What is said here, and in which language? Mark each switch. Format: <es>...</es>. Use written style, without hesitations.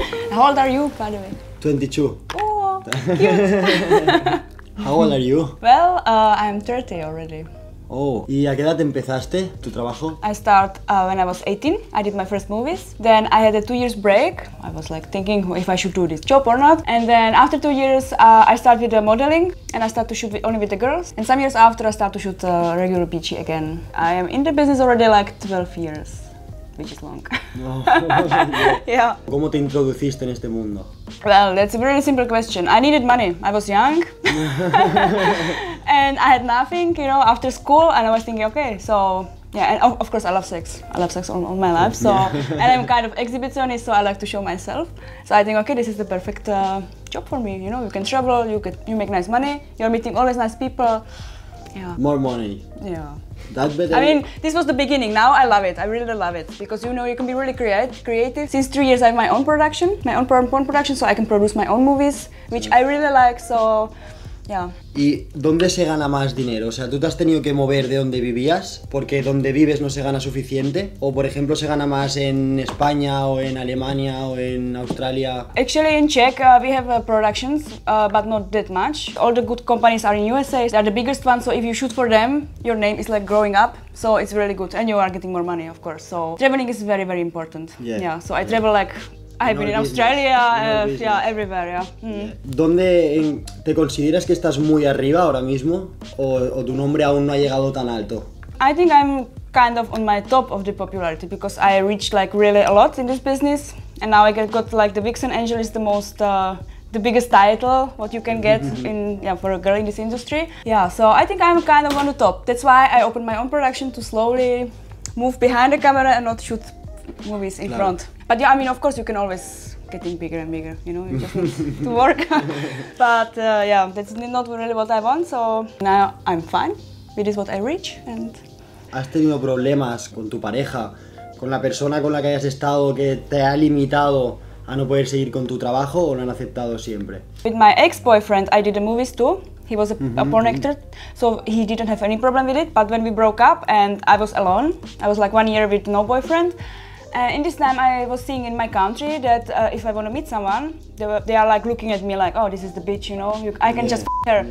<en>How old are you, by the way? 22. Cute. How old are you? Well, I'm 30 already.</en> <es>Oh, ¿y a qué edad empezaste tu trabajo?</es> <en>I start when I was 18. I did my first movies. Then I had a 2 years break. I was like thinking if I should do this job or not. And then after 2 years, I started with modeling and I started to shoot only with the girls. And some years after, I started to shoot regular PG again. I am in the business already like 12 years, which is long. Yeah.</en> <es>¿Cómo te introduciste en este mundo?</es> <en>Well, that's a really simple question. I needed money. I was young and I had nothing, you know, after school, and I was thinking, okay, so yeah, and of course I love sex. I love sex all my life, so yeah. And I'm kind of exhibitionist, so I like to show myself. So I think, okay, this is the perfect job for me, you know, you can travel, you make nice money, you're meeting always nice people. Yeah. More money. Yeah. That's better. I mean, this was the beginning. Now I love it. I really love it. Because, you know, you can be really creative. Since 3 years, I have my own production. My own porn production, so I can produce my own movies, which I really like, so... Yeah.</en> <es>¿Y dónde se gana más dinero? O sea, ¿tú te has tenido que mover de donde vivías? ¿Porque donde vives no se gana suficiente? ¿O, por ejemplo, se gana más en España o en Alemania o en Australia?</es> <en>Actually, in Czech, we have productions, but not that much. All the good companies are in USA. They're the biggest ones, so if you shoot for them, your name is like growing up. So it's really good, and you are getting more money, of course. So traveling is very, very important. Yeah. Yeah, so I travel like... I've been in Australia, yeah, everywhere, yeah. Mm.</en> <es>¿Dónde te consideras que estás muy arriba ahora mismo o tu nombre aún no ha llegado tan alto?</es> <en>I think I'm kind of on my top of the popularity because I reached like really a lot in this business and now I got like the Vixen Angel is the most the biggest title what you can get in for a girl in this industry. Yeah, so I think I'm kind of on the top. That's why I opened my own production to slowly move behind the camera and not shoot movies in front. But yeah, I mean, of course, you can always getting bigger and bigger, you know, you just need to work. But yeah, that's not really what I want, so now I'm fine. It is what I reach and...</en> <es>¿Has tenido problemas con tu pareja, con la persona con la que hayas estado que te ha limitado a no poder seguir con tu trabajo o lo han aceptado siempre?</es> <en>With my ex-boyfriend, I did the movies too. He was a porn actor, so he didn't have any problem with it. But when we broke up and I was alone, I was like 1 year with no boyfriend. In this time, I was seeing in my country that if I want to meet someone, they are like looking at me like, oh, this is the bitch, you know, I can just f*** her.</en>